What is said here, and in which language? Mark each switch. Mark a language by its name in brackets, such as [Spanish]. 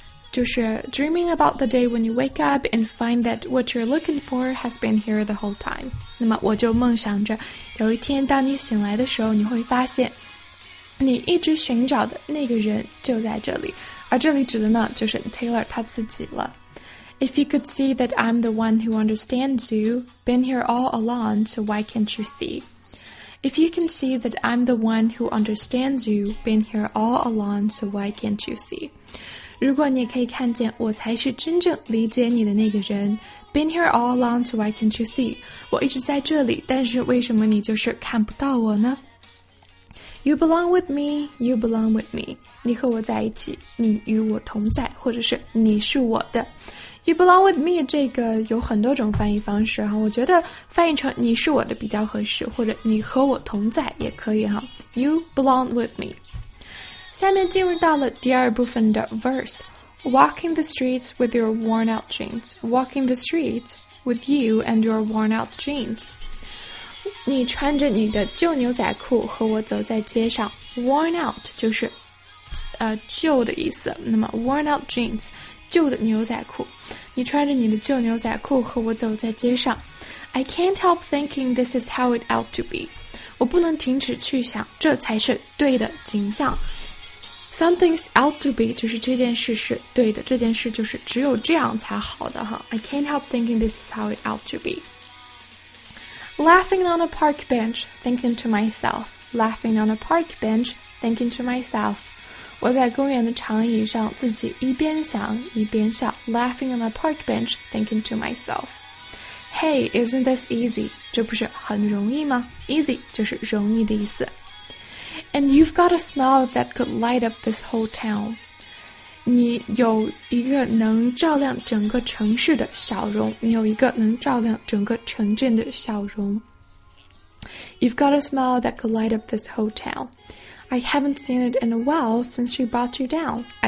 [English] 就是 dreaming about the day when you wake up And find that what you're looking for has been here the whole time [Chinese] 那么我就梦想着有一天当你醒来的时候你会发现你一直寻找的那个人就在这里而这里指的呢就是 Taylor 他自己了 [English] If you could see that I'm the one who understands you, been here all along, so why can't you see? If you can see that I'm the one who understands you, been here all along, so why can't you see? [Chinese] 如果你可以看见我才是真正理解你的那个人 [English] been here all along, so why can't you see? [Chinese] 我一直在这里，但是为什么你就是看不到我呢？ [English] You belong with me, you belong with me. [Chinese] 你和我在一起，你与我同在，或者是你是我的。 [English] You belong with me [Chinese] 这个有很多种翻译方式哈，我觉得翻译成你是我的比较合适，或者你和我同在也可以哈。 [English] You belong with me。 [Chinese] 下面进入到了第二部分的 verse。 [English] Walking the streets with your worn out jeans. Walking the streets with you and your worn out jeans. [Chinese] 你穿着你的旧牛仔裤和我走在街上。 Worn out 就是旧的意思。 [English] 那么 worn out jeans。 [Chinese] 旧的牛仔裤你穿着你的旧牛仔裤和我走在街上 [English] I can't help thinking this is how it ought to be [Chinese] 我不能停止去想这才是对的景象 [English] Something's out to be [Chinese] 就是这件事是对的，这件事就是只有这样才好的哈。 [English] I can't help thinking this is how it ought to be. Laughing on a park bench, thinking to myself. [Chinese] 我在公园的长椅上自己一边想一边笑 [English] Laughing on a park bench, thinking to myself. Hey, isn't this easy? [Chinese] 这不是很容易吗 Easy 就是容易的意思。 [English] And you've got a smile that could light up this whole town. [Chinese] 你有一个能照亮整个城市的笑容。你有一个能照亮整个城镇的笑容。 [English] You've got a smile that could light up this whole town. I haven't seen it in a while since we brought you down.